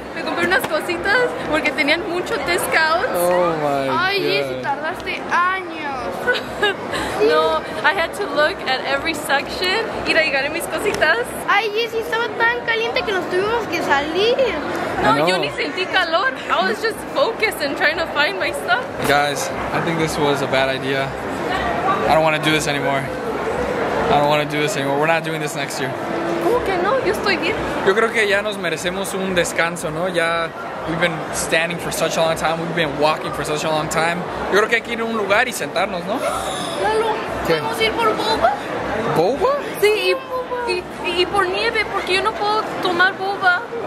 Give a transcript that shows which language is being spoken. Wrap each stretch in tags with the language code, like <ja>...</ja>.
<es>Me compré unas cositas porque tenían mucho discount.</es> <en>Oh my God.</en> <es>Ay, eso tardaste años.</es> <en>No, I had to look at every section.</en> <es>Ir a llegar a mis cositas. Ay, Jessy, estaba tan caliente que nos tuvimos que salir. No, yo ni sentí calor.</es> <en>I was just focused and trying to find my stuff. Guys, I think this was a bad idea. I don't want to do this anymore. I don't want to do this anymore. We're not doing this next year.</en> <es>¿Cómo que no? Yo estoy bien. Yo creo que ya nos merecemos un descanso, ¿no?</es> <en>Ya we've been standing for such a long time. We've been walking for such a long time.</en> <es>Yo creo que hay que ir a un lugar y sentarnos, ¿no? Lalo, ¿podemos ir por boba? ¿Boba? Sí, y y por nieve, porque yo no puedo tomar boba.</es>